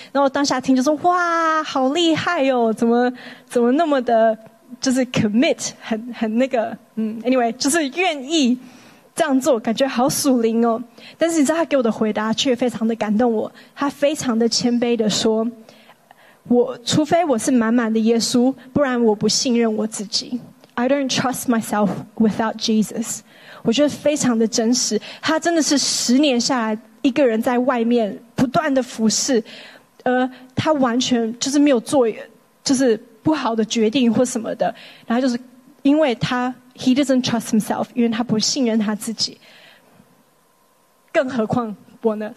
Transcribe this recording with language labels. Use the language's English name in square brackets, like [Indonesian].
[Chinese] 然后当下听就说哇好厉害哦，怎么那么的就是 commit， 很那个anyway 就是愿意这样做，感觉好属灵哦。但是你知道他给我的回答却非常的感动我，他非常的谦卑的说，我除非我是满满的耶稣，不然我不信任我自己。 [English] I don't trust myself without Jesus。 [Chinese] 我觉得非常的真实，他真的是十年下来一个人在外面不断的服侍，而他完全就是没有做就是不好的决定或什么的，然后就是因为他 [English] he doesn't trust himself， [Chinese] 因为他不信任他自己，更何况我呢。